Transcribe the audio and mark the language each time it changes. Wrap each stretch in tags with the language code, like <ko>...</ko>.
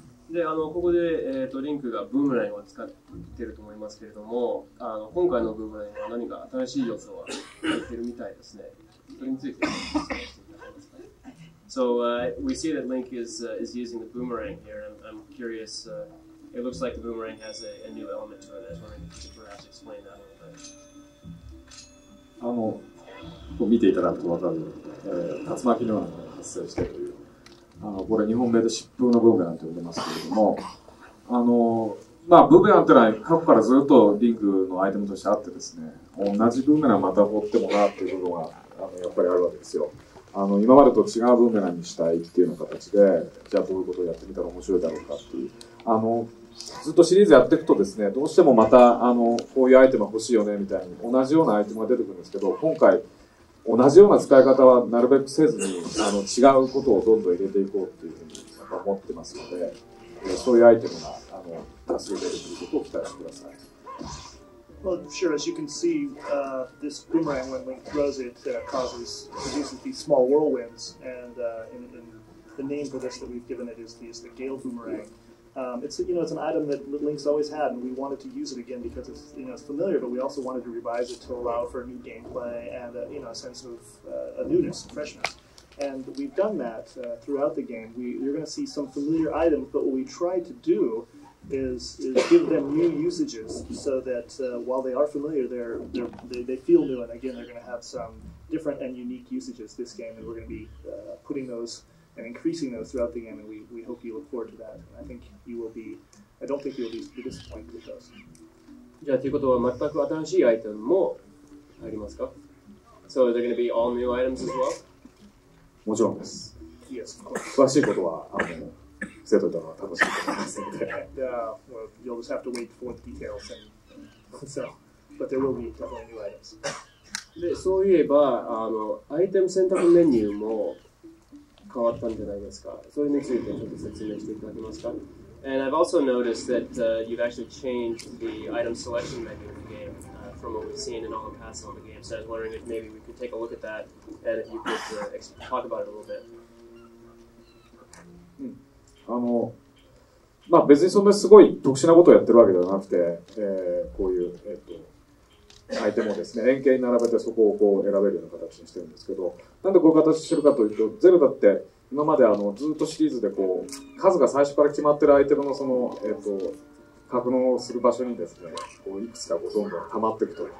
<ja>で、あの、ここで、リンクがブームラインを使っていると思いますけれども、あの、今回のブームラインは何か新しい要素は入っているみたいですね。それについて。</ja> <en>So we see that Link is using the boomerang here. I'm curious. It looks like the boomerang has a new element to it. I was wondering if you could perhaps explain that a little bit.</en> <ja>あの、こう見ていただくと分かる、竜巻のようなものが発生しているという、あの、これ日本名で疾風のブーメランと呼んでますけれども、あの、まあ、ブーメランってのは過去からずっとリンクのアイテムとしてあってですね、同じブーメランまた掘ってもなっていう部分は、やっぱりあるわけですよ。今までと違うブーメランにしたいっていうような形で、じゃあどういうことをやってみたら面白いだろうかっていう。ずっとシリーズやっていくとですね、どうしてもまた、こういうアイテム欲しいよねみたいに、同じようなアイテムが出てくるんですけど、今回、同じような使い方はなるべくせずに、違うことをどんどん入れていこうっていうふうに思ってますので、そういうアイテムが、</ja> <en>Well, sure, as you can see, this boomerang, when Link throws it, produces these small whirlwinds, and in the name for this that we've given it is the Gale Boomerang. It's an item that Link's always had, and we wanted to use it again because it's familiar, but we also wanted to revise it to allow for a new gameplay and a sense of a newness, freshness. And we've done that throughout the game. You're going to see some familiar items, but what we tried to do is give them new usages so that while they are familiar, they feel new, and again, they're going to have some different and unique usages this game, and we're going to be putting those and increasing those throughout the game, and we hope you look forward to that. And I don't think you'll be disappointed with those.</en> <ja>じゃあ、ということは全く新しいアイテムも入りますか?</ja> <en>So are they going to be all new items as well?</en> <ja>もちろんです。</ja> <en>Yes, of course.</en> <ja>詳しいことは、生徒たちは楽しみです。</ja> <en>You'll just have to wait for the details. But there will be definitely new items.</en> <ja>で、そういえば、アイテム選択メニューも変わったんじゃないですか。それについてちょっと説明していただけますか。</ja> <en>And I've also noticed that you've actually changed the item selection menu in the game from what we've seen in all the past on the game. So I was wondering if maybe we could take a look at that and if you could talk about it a little bit.</en> <ja>まあ、別にそんなすごい特殊なことをやってるわけではなくて、こういう、アイテムをですね、円形に並べてそこをこう選べるような形にしてるんですけど、なんでこういう形してるかというと、ゼルダって今までずっとシリーズでこう、数が最初から決まってるアイテムのその、格納をする場所にですね、こういくつかこうどんどん溜まっていくと。</ja>